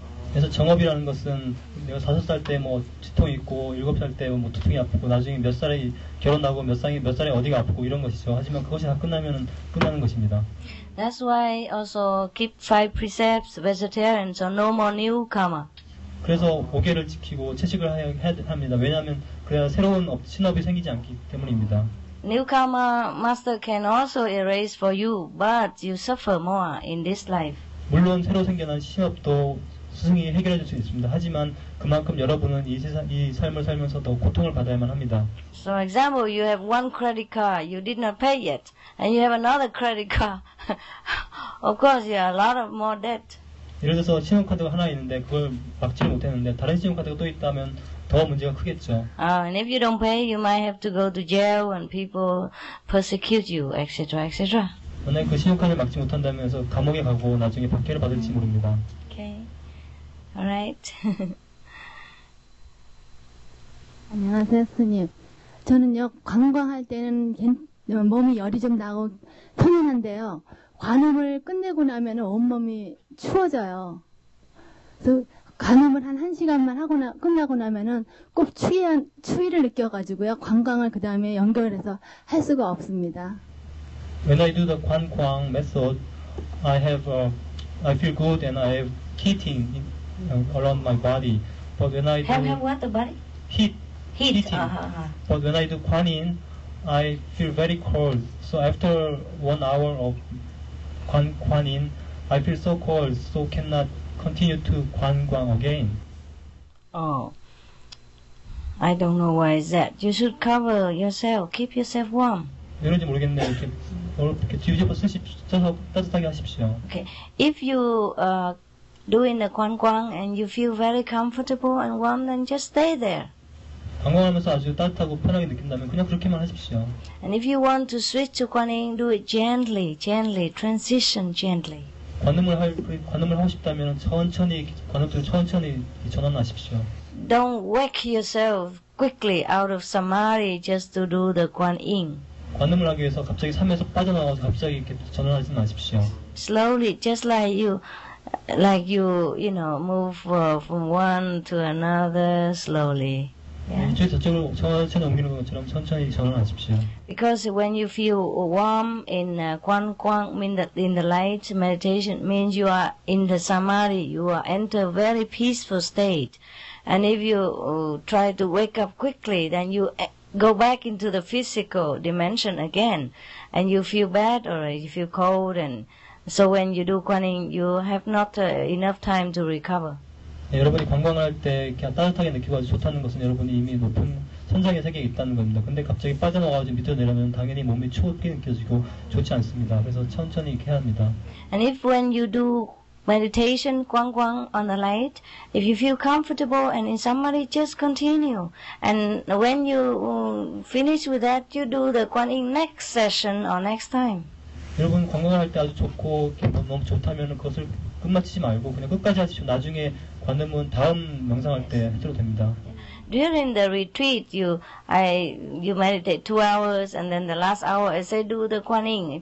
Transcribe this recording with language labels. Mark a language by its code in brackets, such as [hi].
[ko] 그래서 정업이라는 것은 내가 5살 때 뭐 지통이 있고 7살 때 뭐 두통이 아프고 나중에 몇 살에 결혼하고 몇 살에 어디가 아프고 이런 것이죠. 하지만 그것이 다 끝나면 끝나는 것입니다. [en] That's why also keep 5 precepts vegetarian so no more new karma. [ko] 그래서 5계를 지키고 채식을 해야 합니다. 왜냐하면 그래야 새로운 신업이 생기지 않기 때문입니다. [en] New karma master can also erase for you but you suffer more in this life. [ko] 물론 새로 생겨난 신업도 스승이 해결해 줄 수 있습니다. 하지만 그만큼 여러분은 이 삶을 살면서 더 고통을 받아야만 합니다. [en] So example, you have one credit card you did not pay yet, and you have another credit card. Of course, you have a lot of more debt. [ko] 예를 들어서 신용카드가 하나 있는데 그걸 막지 못했는데 다른 신용카드가 또 있다면 더 문제가 크겠죠. [en] And if you don't pay, you might have to go to jail and people persecute you, etc. [ko] 만약 그 신용카드를 막지 못한다면서 감옥에 가고 나중에 박해를 받을지 모릅니다. [en] Alright. [ko] 안녕하세요, 스님. 저는요, 관광할 때는 몸이 열이 좀 나고 편안한데요. 관음을 끝내고 나면 온몸이 추워져요. 그래서 간음을 한 1시간만 하고 끝나고 나면은 꼭 추위를 느껴가지고요. 관광을 그 다음에 연결해서 할 수가 없습니다. [en] When I do the 관광 method, I feel good and I have heating around my body. But when I do what the body? Heat. Heating. Uh-huh. But when I do 관인, I feel very cold. So after 1 hour of 관인, I feel so cold, so cannot continue to 관광 again. Oh, I don't know why is that. You should cover yourself, keep yourself warm. [ko] 이런지 모르겠네. 이렇게 이렇게 뒤집어 쓰십시오. 따뜻하게 하십시오. [en] Okay, if you doing the 관광 and you feel very comfortable and warm, then just stay there. [ko] 관광하면서 아주 따뜻하고 편하게 느낀다면 그냥 그렇게만 하십시오. [en] And if you want to switch to 관인, do it gently, gently, transition gently. [ko] 관음을 하고 싶다면 천천히 관음을 천천히 전환하십시오. [en] Don't wake yourself quickly out of samadhi just to do the 관인. [ko] 관음을 하기 위해서 갑자기 삼에서 빠져나와서 갑자기 이렇게 전환하지 마십시오. [en] Slowly, just like you. Like you, you know, move from one to another slowly. Yeah. Because when you feel warm in Quan Quang, mean that in the light meditation, means you are in the samadhi, you are enter a very peaceful state. And if you try to wake up quickly, then you go back into the physical dimension again, and you feel bad or you feel cold and. So when you do 관인, you have not enough time to recover. [ko] 네, 여러분이 관광할 때 그냥 따뜻하게 느끼고 아주 좋다는 것은 여러분이 이미 높은 선상의 세계에 있다는 겁니다. 근데 갑자기 빠져나와서 밑으로 내려오면 당연히 몸이 추워지게 느껴지고 좋지 않습니다. 그래서 천천히 이렇게 해야 합니다. [en] And if when you do meditation, 관광 on the light, if you feel comfortable and in samadhi, just continue. And when you finish with that, you do the 관인 next session or next time. [ko] 여러분 관광을 할 때 아주 좋고 너무 좋다면 그것을 끝마치지 말고 그냥 끝까지 하십시오. 나중에 관음은 다음 명상할 때 해도 됩니다. [en] During the retreat, you meditate 2 hours and then the last hour I say do the 관인.